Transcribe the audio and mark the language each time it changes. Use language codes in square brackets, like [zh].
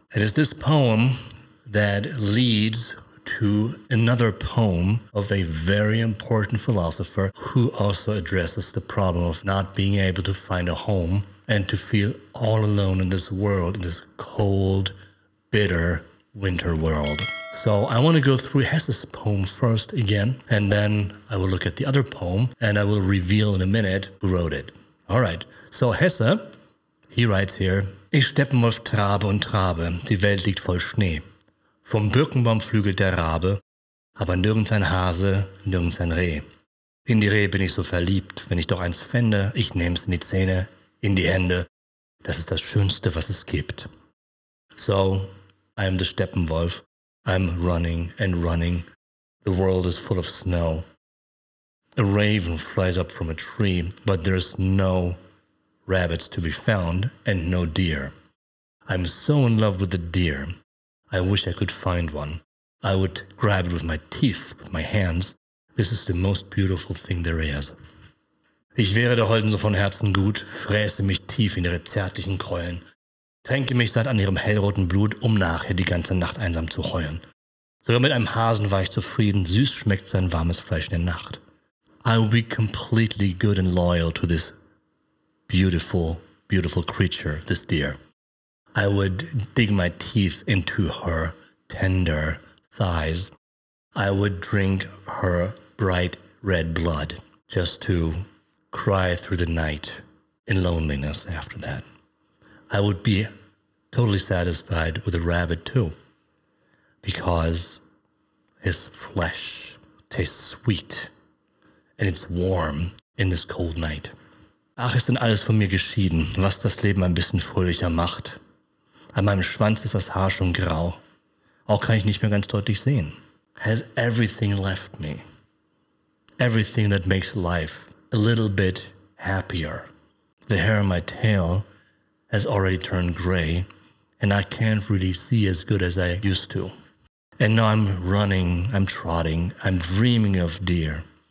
[en] It is this poem that leads to another poem of a very important philosopher who also addresses the problem of not being able to find a home and to feel all alone in this world, in this cold, bitter winter world. So I want to go through Hesse's poem first again, and then I will look at the other poem, and I will reveal in a minute who wrote it. All right, so Hesse, he writes here, [de] Ich Steppenwolf trabe und trabe, die Welt liegt voll Schnee. Vom Birkenbaum flügelt der Rabe, aber nirgends ein Hase, nirgends ein Reh. In die Reh bin ich so verliebt, wenn ich doch eins fände, ich nehm's in die Zähne, in die Hände. Das ist das Schönste, was es gibt. [en] So, I am the Steppenwolf. I'm running and running. The world is full of snow. A raven flies up from a tree, but there's no rabbits to be found and no deer. I'm so in love with the deer. I wish I could find one. I would grab it with my teeth, with my hands. This is the most beautiful thing there is. [de] Ich wäre der Holden so von Herzen gut, fräse mich tief in ihre zärtlichen Keulen. Tränke mich satt an ihrem hellroten Blut, um nachher die ganze Nacht einsam zu heulen. Sogar mit einem Hasen war ich zufrieden, süß schmeckt sein warmes Fleisch in der Nacht. [en] I will be completely good and loyal to this beautiful, beautiful creature, this deer. I would dig my teeth into her tender thighs. I would drink her bright red blood, just to cry through the night in loneliness after that. I would be totally satisfied with a rabbit too, because his flesh tastes sweet and it's warm in this cold night. [de] Ach, ist denn alles von mir geschieden, was das Leben ein bisschen fröhlicher macht. An meinem Schwanz ist das Haar schon grau, auch kann ich nicht mehr ganz deutlich sehen. [en] Has everything left me? Everything that makes life a little bit happier. The hair on my tail has already turned gray, and I can't really see as good as I used to. And now I'm running, I'm trotting, I'm dreaming of deer.